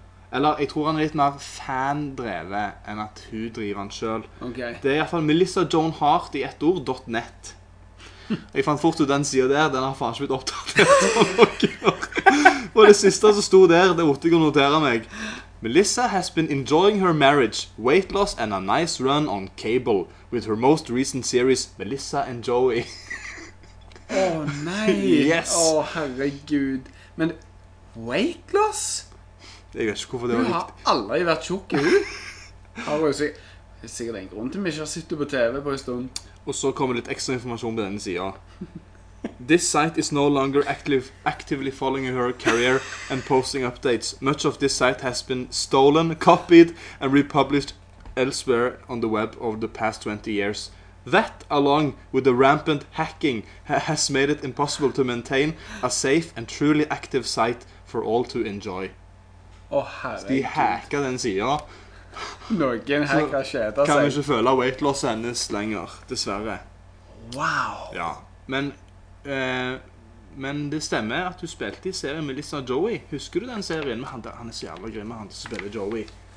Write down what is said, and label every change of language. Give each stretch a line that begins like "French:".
Norwegian: Eller, jeg tror han er litt mer fan-drevet enn at hun driver han selv. Okay. Det er i hvert fall melissajoanhart.net. Jeg fant fort ut den siden der, den har faen ikke blitt opptatt etter noen år. Og det siste som sto der, det måtte jeg notere meg.
English: Melissa has been enjoying her marriage, weight loss, and a nice run on cable with her most recent series, Melissa and Joey.
Norwegian: Åh, oh, nei!
English: Yes!
Norwegian: Åh, oh, herregud. Men weight loss? Jeg vet ikke hvorfor det var riktig. Du har aldri vært tjokk i hud. Har du sikkert en grunn til vi ikke har sittet på TV på en stund. Og så kommer litt ekstra informasjon på denne siden.
English: This site is no longer actively following her career and posting updates. Much of this site has been stolen, copied, and republished elsewhere on the web over the past 20 years. That, along with the rampant hacking, has made it impossible to maintain a safe and truly active site for all to enjoy.
Norwegian: Oh, herregud. De hacker den siden. Noen hacker skjedde seg. Kan vi ikke føle weight loss hennes lenger, dessverre. Wow. Ja, men... men det stemmer at du spilte i serien med Lisa Joey. Husker du den serien med han der? Han er så jævla grim med han som spiller Joey.